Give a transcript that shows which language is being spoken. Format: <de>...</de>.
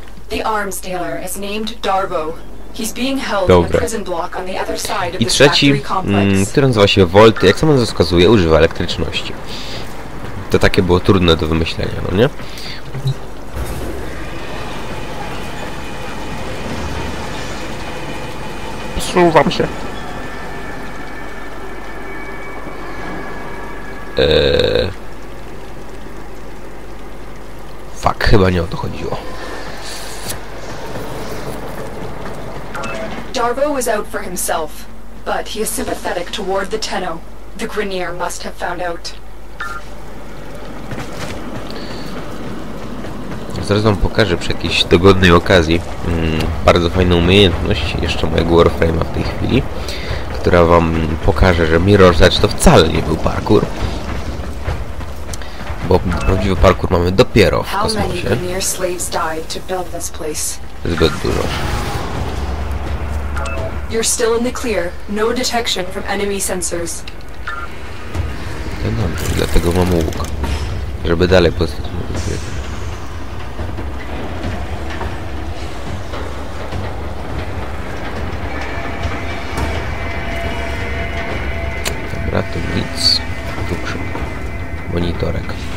<en>The arms dealer is named Darbo. He's being held in a prison block on the other side of the factory complex.</en> <pl>I trzeci, który nazywa się Volt, jak sama nazwa wskazuje, używa elektryczności. To takie było trudne do wymyślenia, no nie? Przesuwam się. Fuck, chyba nie o to chodziło.</pl> <en>Darbo is out for himself, but he is sympathetic toward the Tenno. The Grineer must have found out.</en> <pl>Zaraz wam pokażę przy jakiejś dogodnej okazji bardzo fajną umiejętność jeszcze mojego warframe'a w tej chwili, która wam pokaże, że Mirror's Edge to wcale nie był parkour. Bo prawdziwy parkour mamy dopiero w kosmosie.</pl> <en>How many Grineer slaves died to build this place?</en> <pl>Zbyt dużo.</pl> <en>You're still in the clear. No detection from enemy sensors.</en> <pl>To dobrze, dlatego mam łuk. Żeby dalej pozostać na wyzwie. Dobra, to nic. Wykrzyk. Monitorek.</pl>